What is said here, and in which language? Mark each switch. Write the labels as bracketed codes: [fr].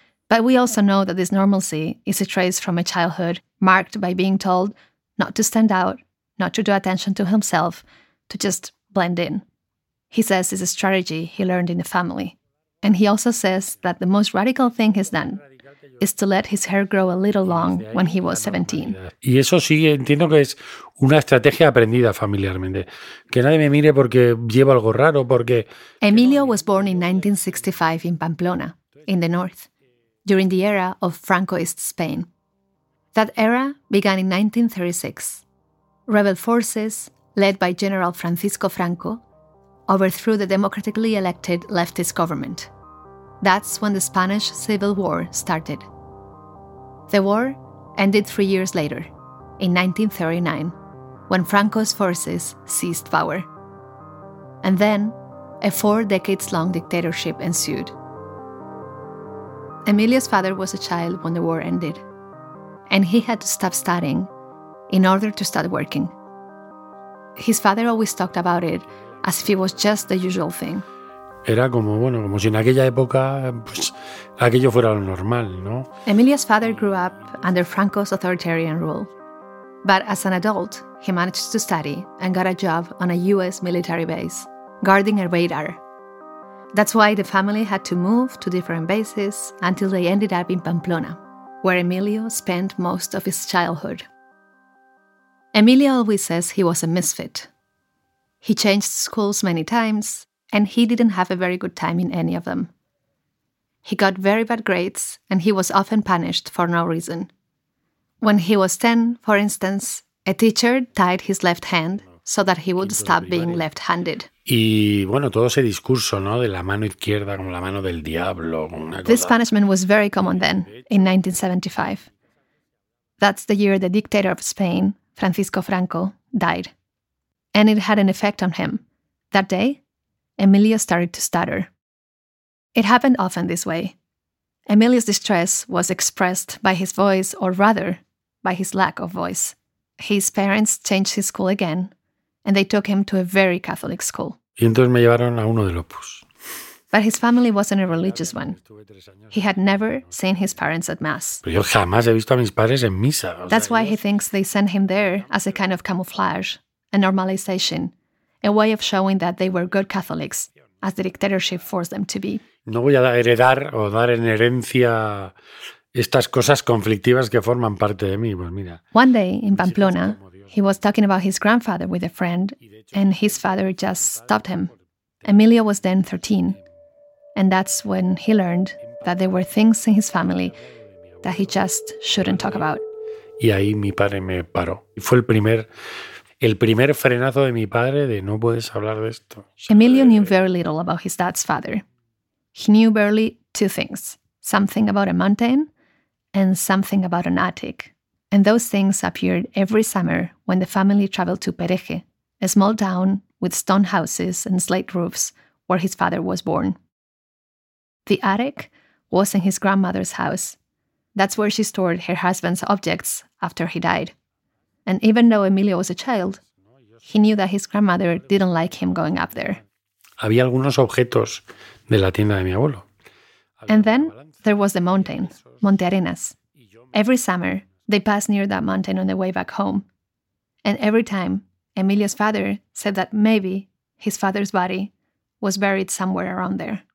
[en] But we also know that this normalcy is a trace from a childhood marked by being told not to stand out, not to draw attention to himself, to just blend in. He says it's a strategy he learned in the family. And he also says that the most radical thing he's done, is to let his hair grow a little long when he was 17. [es] Y eso sí, entiendo que es una estrategia aprendida familiarmente. Que nadie me mire porque llevo algo raro, porque... [en] Emilio was born in 1965 in Pamplona, in the north, during the era of Francoist Spain. That era began in 1936. Rebel forces, led by General Francisco Franco, overthrew the democratically elected leftist government. That's when the Spanish Civil War started. The war ended 3 years later, in 1939, when Franco's forces seized power. And then, a four-decades-long dictatorship ensued. Emilio's father was a child when the war ended, and he had to stop studying in order to start working. His father always talked about it as if it was just the usual thing. [es] Era como, bueno, como si en aquella época, pues, aquello fuera lo normal, ¿no? [en] Emilio's father grew up under Franco's authoritarian rule. But as an adult, he managed to study and got a job on a U.S. military base, guarding a radar. That's why the family had to move to different bases until they ended up in Pamplona, where Emilio spent most of his childhood. Emilio always says he was a misfit. He changed schools many times, and he didn't have a very good time in any of them. He got very bad grades, and he was often punished for no reason. When he was 10, for instance, a teacher tied his left hand so that he would stop being left-handed. [es] Y bueno, todo ese discurso, ¿no? De la mano izquierda como la mano del diablo. Una cosa. [en] This punishment was very common then, in 1975. That's the year the dictator of Spain, Francisco Franco, died. And it had an effect on him. That day, Emilio started to stutter. It happened often this way. Emilio's distress was expressed by his voice, or rather, by his lack of voice. His parents changed his school again, and they took him to a very Catholic school. [es] Y entonces me llevaron a uno del Opus. [en] But his family wasn't a religious one. He had never seen his parents at Mass. [es] Pero yo jamás he visto a mis padres en misa. [en] That's why he thinks they sent him there as a kind of camouflage, a normalization, a way of showing that they were good Catholics, as the dictatorship forced them to be. [es] No voy a heredar o dar en herencia estas cosas conflictivas que forman parte de mí. Pues mira. [en] One day in Pamplona, he was talking about his grandfather with a friend, and his father just stopped him. Emilio was then 13, and that's when he learned that there were things in his family that he just shouldn't talk about. [es] Y ahí mi padre me paró. Fue el primer frenazo de mi padre de no puedes hablar de esto. [en] Emilio knew very little about his dad's father. He knew barely two things, something about a mountain and something about an attic. And those things appeared every summer when the family traveled to Pereje, a small town with stone houses and slate roofs where his father was born. The attic was in his grandmother's house. That's where she stored her husband's objects after he died. And even though Emilio was a child, he knew that his grandmother didn't like him going up there. [es] Había algunos objetos de la tienda de mi abuelo. [en] And then there was the mountain, Monte Arenas. Every summer, they passed near that mountain on the way back home. And every time, Emilio's father said that maybe his father's body was buried somewhere around there.